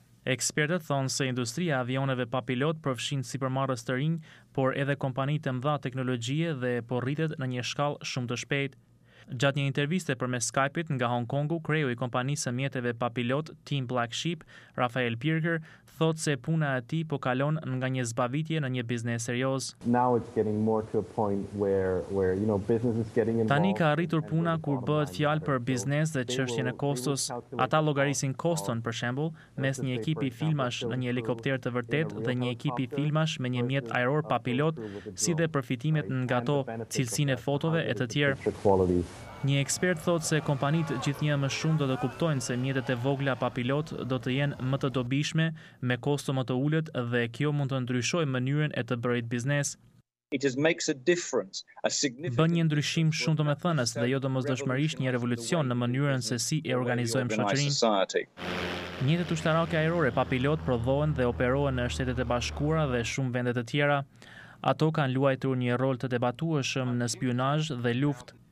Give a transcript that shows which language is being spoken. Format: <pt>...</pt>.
<sq>Ekspertët thonë se industria avioneve pa pilot përfshin sipërmarrës të rinj, por edhe kompanitë të mëdha teknologjie dhe po rritet në një shkallë shumë të shpejtë. Gjatë një interviste përmes Skype-it nga Hong Kongu, kreu I kompanisë së mjeteve papilot Team Black Sheep, Rafael Pirker, thotë se puna e tij po kalon nga një zbavitje në një biznes serioz.</sq> <en>Now it's getting more to a point where you know business is getting involved.</en> <sq>Tani ka arritur puna kur bëhet fjalë për biznes dhe çështjen e kostos. Ata llogarisin koston për shembull mes një ekipi filmash në një helikopter të vërtetë dhe një ekipi filmash me një mjet ajror papilot, si dhe përfitimet nga ato, cilësinë e fotove e të tjerë. Një ekspert thotë se kompanitë gjithnjë më shumë do të kuptojnë se mjetet e vogla papilot do të jenë më të dobishme, me kosto më të ulët dhe kjo mund të ndryshojë mënyrën e të bërit biznes.</sq> <en>It just makes a difference, a significant.</en> <sq>Bën një ndryshim shumë të mëthënës dhe jo domosdoshmërisht një revolucion në mënyrën se si e organizojmë shoqërinë. Mjetet ushtarake ajrore papilot prodhohen dhe operohen në Shtetet e Bashkuara dhe shumë vende të tjera. Ato kanë luajtur një rol të debatueshëm në spionazh dhe luftë.</sq>